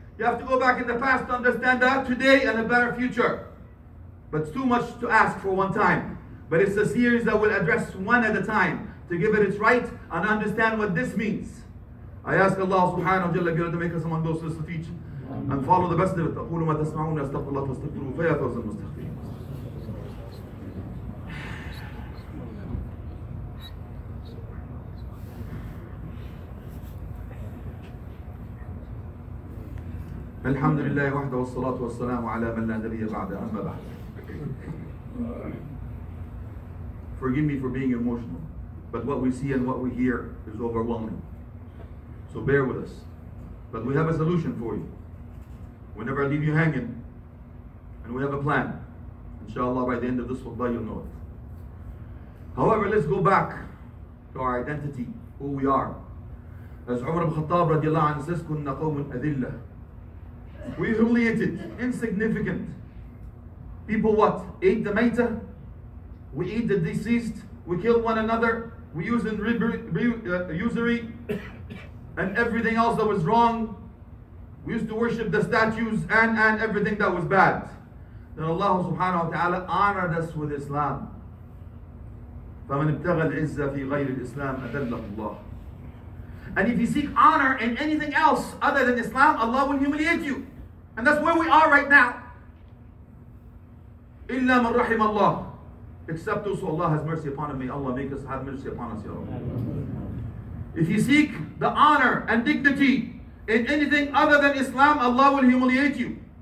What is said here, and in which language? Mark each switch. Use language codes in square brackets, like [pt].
[en] You have to go back in the past to understand that today and a better future. But it's too much to ask for one time. But it's a series that will address one at a time to give it its right and understand what this means. I ask Allah subhanahu wa ta'ala to make us among those who teach and follow the best of it. [ar] أقول ما تسمعون أستغفر الله فاستغفروه فيا فوز المستغفرين. الحمد لله وحده والصلاة والسلام على من لا نبي بعد أما بعد. [en] Forgive me for being emotional, but what we see and what we hear is overwhelming. So bear with us. But we have a solution for you. We never leave you hanging. And we have a plan. Inshallah, by the end of this khutbah, you'll know it. However, let's go back to our identity, who we are. As Umar ibn Khattab radiallahu anhu says, [ar] كنا قوم أذلة. [en] We humiliated, insignificant. People what? Ate the maita? We eat the deceased? We kill one another? We use in usury and everything else that was wrong? We used to worship the statues and everything that was bad. Then Allah subhanahu wa ta'ala honored us with Islam. [ar] فمن ابتغى العزة في غير الإسلام أذله الله. [en] And if you seek honor in anything else other than Islam, Allah will humiliate you. And that's where we are right now. [ar] إلا من رحم الله. [en] Except those who Allah has mercy upon him. May Allah make us have mercy upon us, Ya Rabbi. If you seek the honor and dignity in anything other than Islam, Allah will humiliate you.